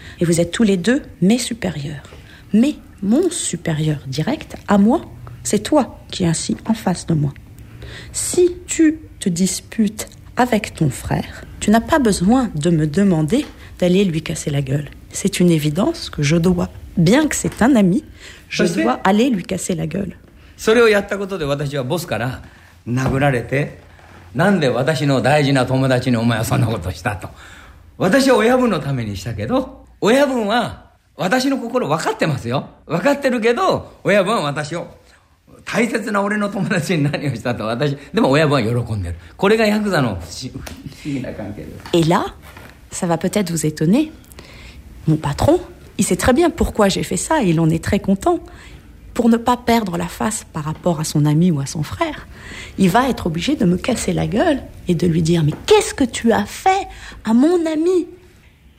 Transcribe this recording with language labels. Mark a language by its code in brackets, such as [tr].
[fr] Et vous êtes tous les deux mes supérieurs. Mais mon supérieur direct, à moi, c'est toi qui es assis en face de moi. Si tu te disputes avec ton frère, tu n'as pas besoin de me demander d'aller lui casser la gueule. C'est une évidence que je dois, bien que c'est un ami, je dois aller lui casser la gueule. [ja] それをやったことで私はボスから殴られて、なんで私の大事な友達にお前はそんなことしたと。私は親分のためにしたけど、親分は私の心分かってますよ。分かってるけど、親分は私を大切な俺の友達に何をしたと。私、でも親分は喜んでる。これがヤクザの不思議な関係です。 [fr] Et là, ça va peut-être vous étonner. Mon patron, il sait très bien pourquoi j'ai fait ça et il en est très content. Pour ne pas perdre la face par rapport à son ami ou à son frère, il va être obligé de me casser la gueule et de lui dire « Mais qu'est-ce que tu as fait à mon ami ?»